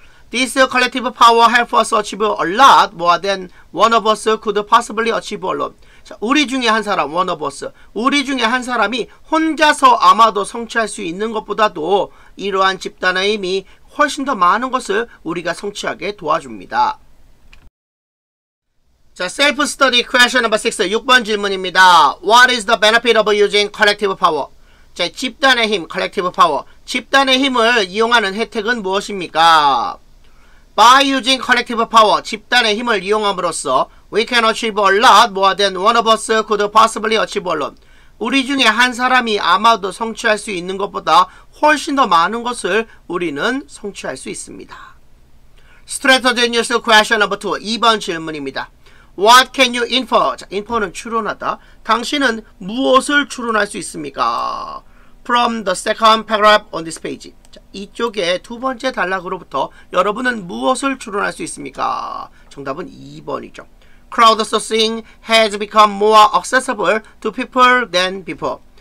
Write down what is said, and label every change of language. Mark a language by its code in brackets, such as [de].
[en] This collective power help us achieve a lot more than one of us could possibly achieve alone. [ko] 자, 우리 중에 한 사람, [en] one of us. [ko] 우리 중에 한 사람이 혼자서 아마도 성취할 수 있는 것보다도 이러한 집단의 힘이 훨씬 더 많은 것을 우리가 성취하게 도와줍니다. [en] 자, self study question number 6, [ko] 6번 질문입니다. [en] What is the benefit of using collective power? [ko] 자, 집단의 힘, collective power. 집단의 힘을 이용하는 혜택은 무엇입니까? [en] By using collective power, [ko] 집단의 힘을 이용함으로써 [en] we can achieve a lot more than one of us could possibly achieve alone. [ko] 우리 중에 한 사람이 아마도 성취할 수 있는 것보다 훨씬 더 많은 것을 우리는 성취할 수 있습니다. [en] Strategy News Question No. 2, [ko] 2번 질문입니다. [en] What can you infer? [ko] 자, infer는 추론하다. 당신은 무엇을 추론할 수 있습니까? [en] From the second paragraph on this page. [ko] 자, 이쪽에 두 번째 단락으로부터 여러분은 무엇을 추론할 수 있습니까? 정답은 2번이죠. [en] Crowdsourcing has become more accessible to people than before.